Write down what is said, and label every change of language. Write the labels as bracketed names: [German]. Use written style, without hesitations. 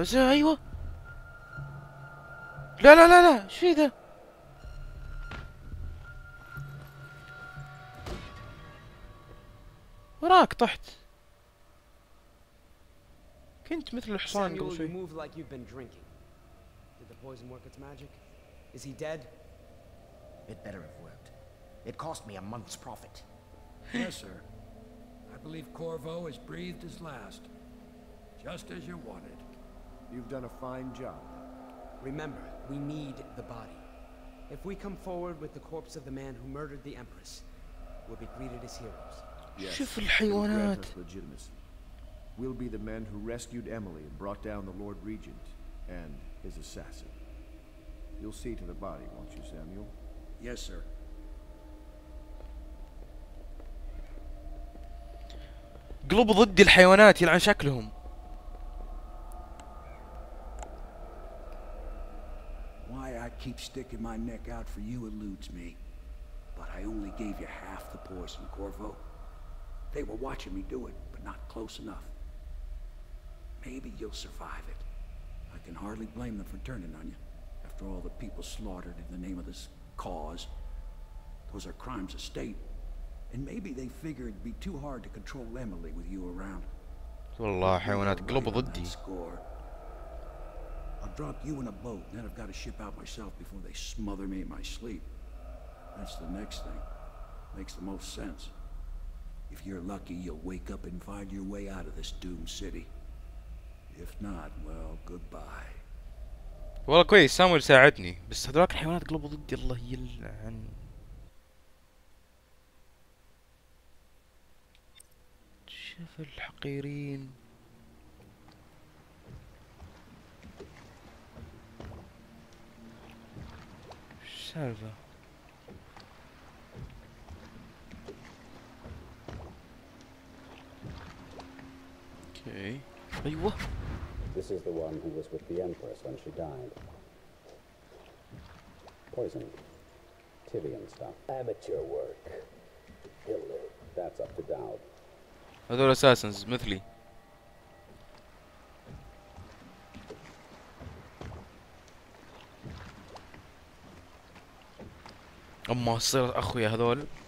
[Arabic] ايوه لا لا لا لا شو هذا وراك طحت كنت مثل الحصان قبل شوي [English] move like you've been drinking. Did the poison work its magic? Is he dead? It better have worked. It cost me a month's profit. Yes, sir. I believe Corvo has breathed his last. Just as you wanted. You've done a fine job. Remember, we need the body. If we come forward with the corpse of the man who murdered the Empress, we'll be greeted as heroes. Yes, we'll grant us legitimacy. We'll be the men who rescued Emily and brought down the Lord Regent and his assassin. You'll see to the body, won't you, Samuel? Yes, sir. [Arabic] قلوب ضد الحيوانات يلعن شكلهم [English] Why I keep sticking my neck out for you eludes me but I only gave you half the poison Corvo They were watching me do it but not close enough Maybe you'll survive it I can hardly blame them for turning on you after all the people slaughtered in the name of this cause Those are crimes of state And maybe they figure it'd be too hard to control Emily with you around. [Arabic] والله حيوانات قلب ضدي. [English] I'll drop you in a boat, then I've got to ship out myself before they smother me in my sleep. That's the next thing. Makes the most sense. If you're lucky, you'll wake up and find your way out of this doomed city. If not, well, goodbye. [Arabic] والله كويس سامويل ساعدني. بس هذولاك الحيوانات قلب ضدي الله يلعن. شوف الحقيرين شو السالفة اوكي ايوه [English] This is the one who was with the Empress when she died poison Tivian stuff amateur work he'll live that's up to doubt [Arabic] هذول اساسنز مثلي اما صير اخويا هذول